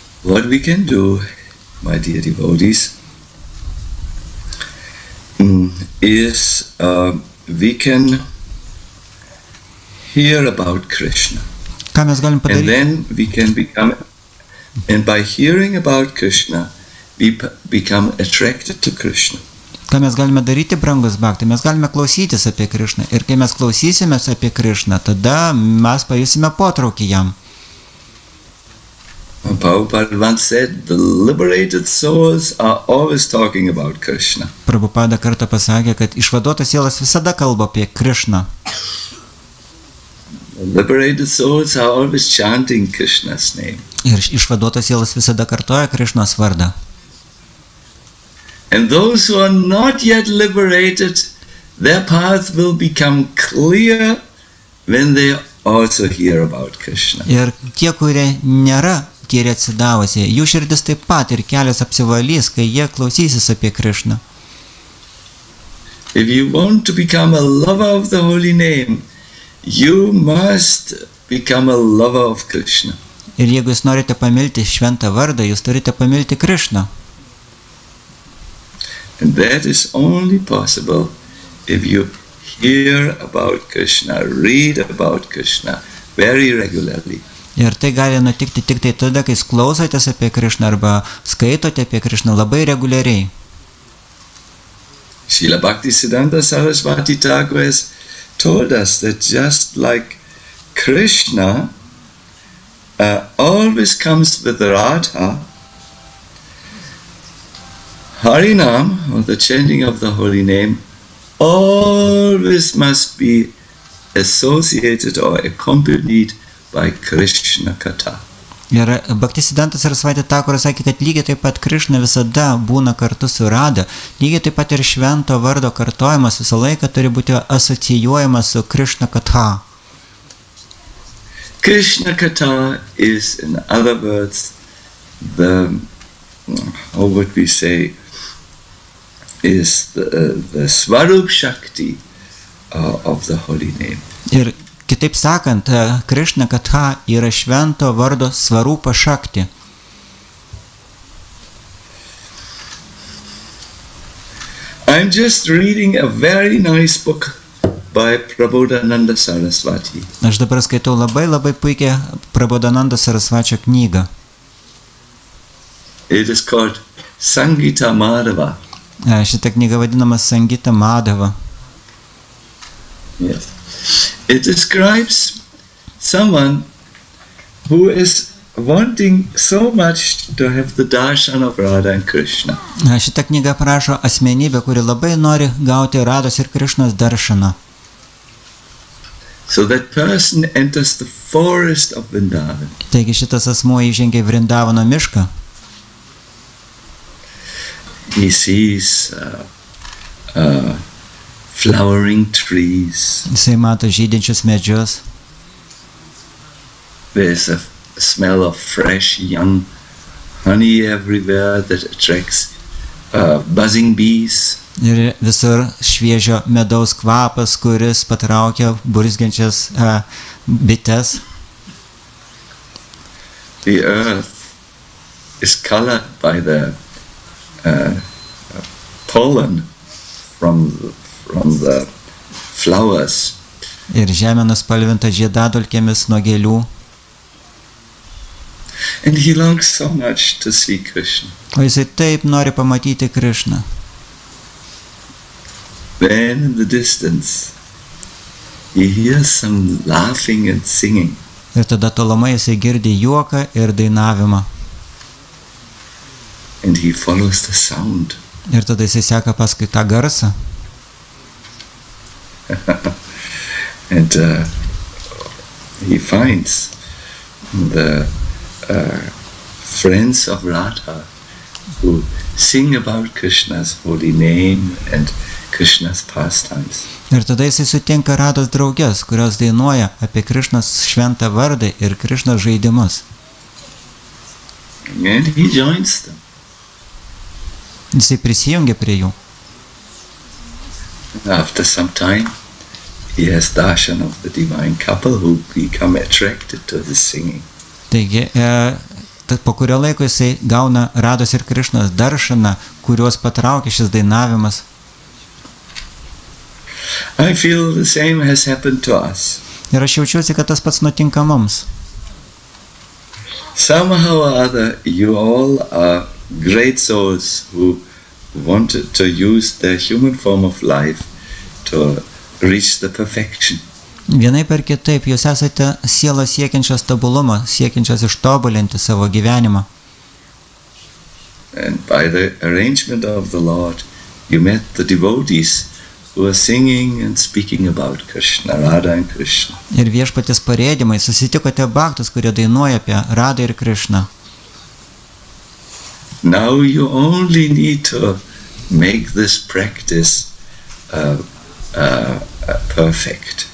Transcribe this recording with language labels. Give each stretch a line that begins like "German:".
English: What we can do, my dear devotees, is we can hear about Krishna.
Lithuanian: Ką mes galim padaryti?
English: And then we can become, and by hearing about Krishna, we become attracted to Krishna.
Lithuanian: Ką mes galime daryti, brangus bhakti? Mes galime klausytis apie Krishna. Ir kai mes klausysimės apie Krishna, tada mes pajusime potraukį jam.
English: Prabhupada once said, the liberated souls are always talking about Krishna.
Lithuanian: Prabhupada kartą pasakė, kad išvaduotas sielas visada kalba apie Krishna.
English: Liberated souls are always chanting Krishna's name.
Lithuanian: Ir išvaduotas sielas visada kartoja Krishna's vardą.
English: And those who are not yet liberated, their path will become clear when they also hear about Krishna.
Lithuanian: Ir tie, kurie nėra tyri atsidavusi, jų širdis taip pat ir kelias apsivalys, kai jie klausysis apie Krishna.
English: If you want to become a lover of the holy name, you must become a lover of Krishna.
Lithuanian: Ir jeigu jūs norite pamilti šventą vardą, jūs turite pamilti Krishna.
English: And that is only possible if you hear about Krishna, read about Krishna very regularly.
Lithuanian: Ir tai gali nutikti tik tai tada, kai klausotės apie Krishna arba skaitote apie Krishna labai reguliariai.
English: Srila Bhaktisiddhanta Sarasvati Thakur told us that just like Krishna always comes with Radha, Harinam, or the chanting of the holy name, always must be associated or accompanied by Krishna Katha.
Lithuanian: Ir Bhaktisiddhanta Sarasvati Thakur sakė, kad lygiai taip pat Krishna visada būna kartu su Radha. Lygiai taip pat ir švento vardo kartojimas visą laiką turi būti asocijuojamas su Krishna Katha.
English: Krishna Katha is, in other words, the, how would we say, is the Svarup Shakti of the holy name.
Lithuanian: Ir kitaip sakant, Krishna Katha yra švento vardo svarupa šakti.
English: I'm just reading a very nice book by Prabodhananda Sarasvati.
Lithuanian: Aš dabar skaitau labai labai puikią Prabodhananda Sarasvačio knygą.
English: It is called Sangita Madhava.
Lithuanian: Šita knyga vadinama Sangita Madhava.
English: Yes. It describes someone who is wanting so much to have the darshan of Radha and Krishna.
Lithuanian: Šita knyga prašo asmenybę, kuri labai nori gauti Radhos ir Krishnos darshaną.
English: So that person enters the forest of Vrindavan.
Lithuanian: Taigi šitas asmuo įžengia Vrindavano mišką.
English: He sees flowering trees.
Lithuanian: Jisai mato žydinčius medžius.
English: There's a smell of fresh young honey everywhere that attracts buzzing bees.
Lithuanian: Ir visur šviežio medaus kvapas, kuris patraukia burzgiančias bites.
English: The earth is colored by the pollen from the flowers.
Lithuanian: Ir žemė nuspalvinta žiedadulkėmis nuo gėlių.
English: And he longs so much to see Krishna.
Lithuanian: O jisai taip nori pamatyti Krishna.
English: Then in the distance he hears some laughing and singing.
Lithuanian: Ir tada tolumai jisai girdi juoką ir dainavimą.
English: And he follows the sound.
Lithuanian: Ir tada jisai seka paskui tą garsą.
English: And he finds the friends of Radha who sing about Krishna's holy name and Krishna's pastimes.
Lithuanian: Ir tada jisai sutinka Radhos draugės, kurios dainuoja apie Krishna's šventą vardą ir Krishna žaidimus.
English: And he joins them.
Lithuanian: Jisai prisijungia prie jų.
English: After some time he has darshan of the divine couple who become attracted to his singing.
Lithuanian: Taigi, po kurio laiko jisai gauna Radhos ir Krishnos darshaną, kuriuos patraukia šis dainavimas.
English: I feel the same has happened to us.
Lithuanian: Ir aš jaučiuosi, kad tas pats nutinka mums.
English: Somehow or other, you all are great souls who wanted to use the human form of life to reach the perfection.
Lithuanian: Vienai per kitaip, jūs esate sielo siekiančios tobulumą, siekiančios ištobulinti savo gyvenimą.
English: And by the arrangement of the Lord, you met the devotees who are singing and speaking about Krishna, Radha and Krishna.
Lithuanian: Ir viešpatės parėdimai susitikote bhaktus, kurie dainuoja apie Radha ir Krishna.
English: Now you only need to make this practice perfect.